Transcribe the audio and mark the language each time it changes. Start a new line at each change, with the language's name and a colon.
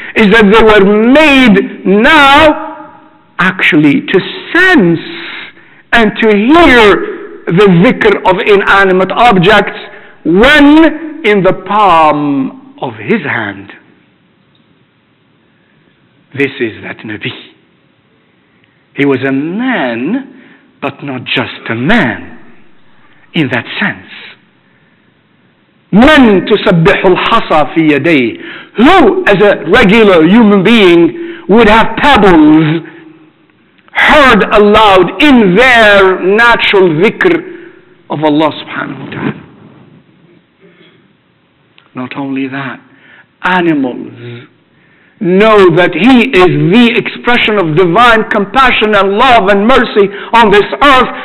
English: is that they were made now actually to sense and to hear the dhikr of inanimate objects when in the palm of his hand. This is that Nabi. He was a man, but not just a man in that sense.
Arabic: Man تسبح الحصى في يديه.
English: Who, as a regular human being, would have pebbles heard aloud in their natural dhikr of Allah subhanahu wa ta'ala? Not only that, animals know that He is the expression of divine compassion and love and mercy on this earth.